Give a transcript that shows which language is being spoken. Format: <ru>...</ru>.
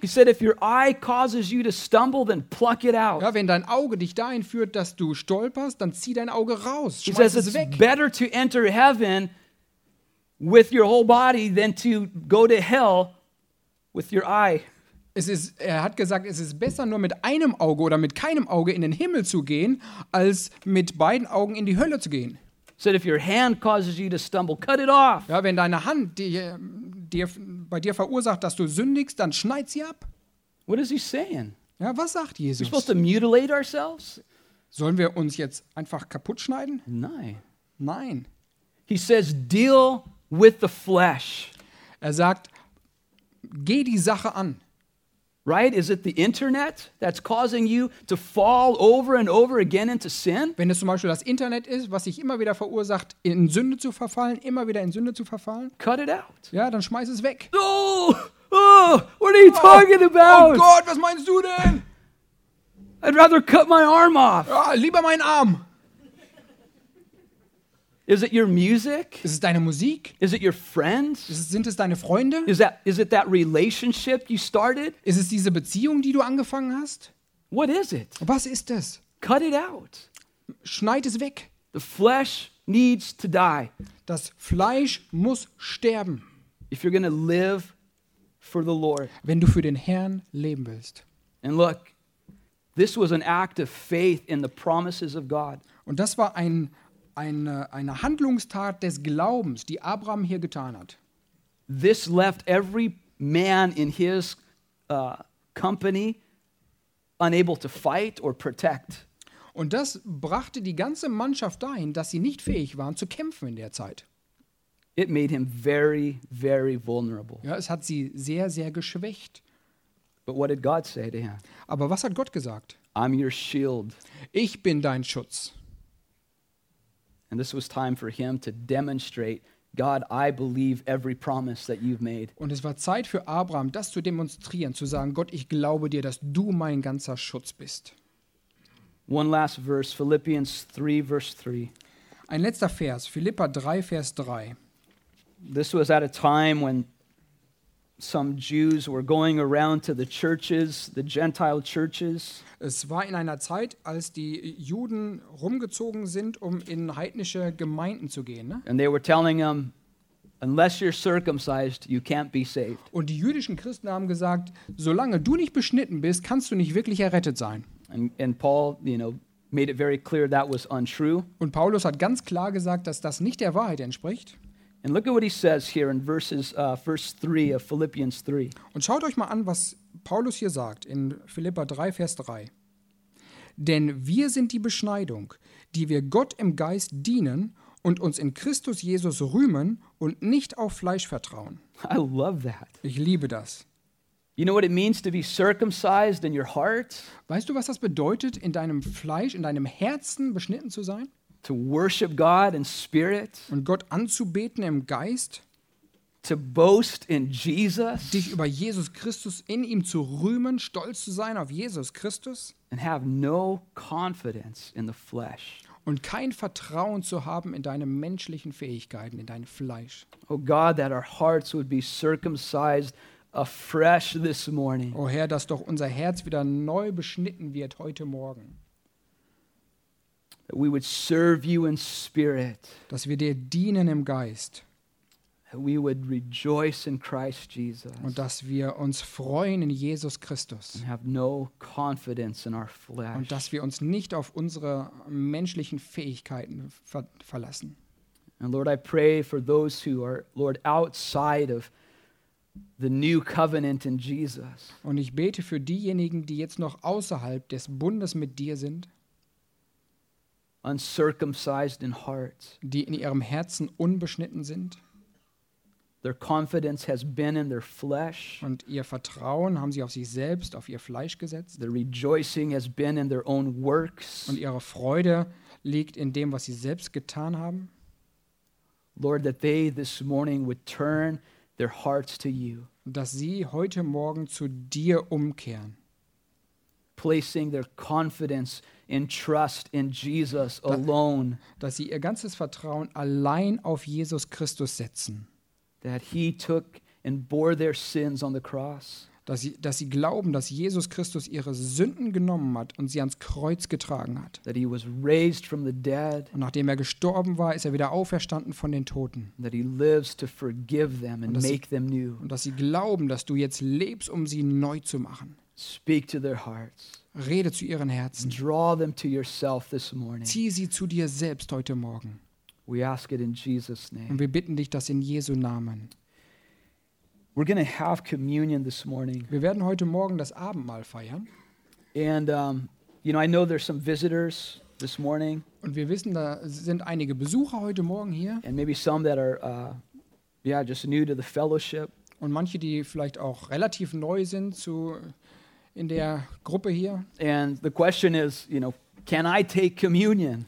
<en>He said, if your eye causes you to stumble, then pluck it out.</en> <de>Ja, wenn dein Auge dich dahin führt, dass du stolperst, dann zieh dein Auge raus. Schmeiß</de> <en>He says, it's better to enter heaven with your whole body than to go to hell with your eye.</en> <de>Er hat gesagt, es ist besser, nur mit einem Auge oder mit keinem Auge in den Himmel zu gehen, als mit beiden Augen in die Hölle zu gehen.</de> <en>Said, if your hand causes you to stumble, cut it off.</en> <de>Ja, wenn deine Hand bei dir verursacht, dass du sündigst, dann schneid sie ab.</de> <en>What is he saying?</en> <de>Ja, was sagt Jesus?</de> <en>We're supposed to mutilate ourselves?</en> <de>Sollen wir uns jetzt einfach kaputt schneiden? Nein. Nein.</de> <en>He says, deal with the flesh.</en> <de>Er sagt, geh die Sache an.</de> <en>Right? Is it the internet that's causing you to fall over and over again into sin?</en> <de>Wenn es zum Beispiel das Internet ist, was dich immer wieder verursacht, in Sünde zu verfallen, immer wieder in Sünde zu verfallen?</de> <en>Cut it out.</en> <de>Ja, dann schmeiß es weg.</de> <en>Oh, oh, what are you talking about?</en> <de>Oh Gott, was meinst du denn?</de> <en>I'd rather cut my arm off.</en> <de>Ja, lieber meinen Arm.</de> <en>Is it your music?</en> <de>Ist es deine Musik?</de> <en>Is it your friends?</en> <de>Sind es deine Freunde?</de> <en>Is it that relationship you started?</en> <de>Ist es diese Beziehung, die du angefangen hast?</de> <en>What is it?</en> <de>Was ist es?</de> <en>Cut it out.</en> <de>Schneid es weg.</de> <en>The flesh needs to die.</en> <de>Das Fleisch muss sterben.</de> <en>If you're gonna live for the Lord.</en> <de>Wenn du für den Herrn leben willst.</de> <en>And look, this was an act of faith in the promises of God.</en> <de>Und das war eine Handlungstat des Glaubens, die Abraham hier getan hat.</de> <en>This left every man in his company unable to fight or protect.</en> <de>Und das brachte die ganze Mannschaft dahin, dass sie nicht fähig waren zu kämpfen in der Zeit.</de> <en>It made him very, very vulnerable.</en> <de>Ja, es hat sie sehr, sehr geschwächt.</de> <en>But what did God say to him?</en> <de>Aber was hat Gott gesagt?</de> <en>I'm your shield.</en> <de>Ich bin dein Schutz.</de> <en>And this was time for him to demonstrate, God, I believe every promise that you've made.</en> <de>Und es war Zeit für Abraham, das zu demonstrieren, zu sagen, Gott, ich glaube dir, dass du mein ganzer Schutz bist.</de> <en>One last verse, Philippians 3, verse 3.</en> <de>Ein letzter Vers, Philipper 3, Vers 3.</de> <en>This was at a time when some Jews were going around to the churches, the Gentile churches.</en> <de>Es war in einer Zeit, als die Juden rumgezogen sind, um in heidnische Gemeinden zu gehen. Ne?</de> <en>And they were telling them, unless you're circumcised, you can't be saved.</en> <de>Und die jüdischen Christen haben gesagt, solange du nicht beschnitten bist, kannst du nicht wirklich errettet sein.</de> <en>And Paul, you know, made it very clear that was untrue.</en> <de>Und Paulus hat ganz klar gesagt, dass das nicht der Wahrheit entspricht.</de> <en>And look at what he says here in verse 3 of Philippians 3.</en> <de>Und schaut euch mal an, was Paulus hier sagt in Philipper 3, Vers 3. Denn wir sind die Beschneidung, die wir Gott im Geist dienen und uns in Christus Jesus rühmen und nicht auf Fleisch vertrauen.</de> <en>I love that.</en> <de>Ich liebe das.</de> <en>You know what it means to be circumcised in your heart?</en> <de>Weißt du, was das bedeutet, in deinem Fleisch, in deinem Herzen beschnitten zu sein?</de> <en>To worship God in spirit,</en> <de>und Gott anzubeten im Geist,</de> <en>to boast in Jesus,</en> <de>dich über Jesus Christus in ihm zu rühmen, stolz zu sein auf Jesus Christus,</de> <en>and have no confidence in the flesh,</en> <de>und kein Vertrauen zu haben in deine menschlichen Fähigkeiten, in deinem Fleisch.</de> <en>Oh God, that our hearts would be circumcised afresh this morning.</en> <de>O Herr, dass doch unser Herz wieder neu beschnitten wird heute Morgen.</de> <en>That we would serve you in spirit.</en> <de>Dass wir dir dienen im Geist.</de> <en>That we would rejoice in Christ Jesus.</en> <de>Und dass wir uns freuen in Jesus Christus.</de> <en>And have no confidence in our flesh.</en> <de>Und dass wir uns nicht auf unsere menschlichen Fähigkeiten verlassen.</de> <en>And Lord, I pray for those who are, Lord, outside of the new covenant in Jesus.</en> <de>Und ich bete für diejenigen, die jetzt noch außerhalb des Bundes mit dir sind.</de> <en>Uncircumcised in heart,</en> <de>die in ihrem Herzen unbeschnitten sind.</de> <en>Their confidence has been in their flesh,</en> <de>und ihr Vertrauen haben sie auf sich selbst, auf ihr Fleisch gesetzt.</de> <en>Their rejoicing has been in their own works,</en> <de>und ihre Freude liegt in dem, was sie selbst getan haben.</de> <en>Lord, that they this morning would turn their hearts to you,</en> <de>dass sie heute Morgen zu dir umkehren,</de> <en>placing their confidence in trust in Jesus alone,</en> <de>dass sie ihr ganzes Vertrauen allein auf Jesus Christus setzen,</de> <en>that he took and bore their sins on the cross,</en> <de>dass sie glauben, dass Jesus Christus ihre Sünden genommen hat und sie ans Kreuz getragen hat,</de> <en>that he was raised from the dead,</en> <de>und nachdem er gestorben war, ist er wieder auferstanden von den Toten,</de> <en>that he lives to forgive them and make them new,</en> <de>und dass sie glauben, dass du jetzt lebst, um sie neu zu machen.</de> <en>Speak to their hearts.</en> <de>Rede zu ihren Herzen.</de> <en>Draw them to yourself this morning.</en> <de>Zieh sie zu dir selbst heute Morgen.</de> <en>We ask it in Jesus' name.</en> <de>Und wir bitten dich das in Jesu Namen.</de> <en>We're going to have communion this morning.</en> <de>Wir werden heute Morgen das Abendmahl feiern.</de> <en>And you know, I know there's some visitors this morning.</en> <de>Und wir wissen, da sind einige Besucher heute Morgen hier.</de> <en>And maybe some that are just new to the fellowship.</en> <de>Und manche, die vielleicht auch relativ neu sind zu in der Gruppe hier.</de> <en>And the question is, you know, can I take communion?</en>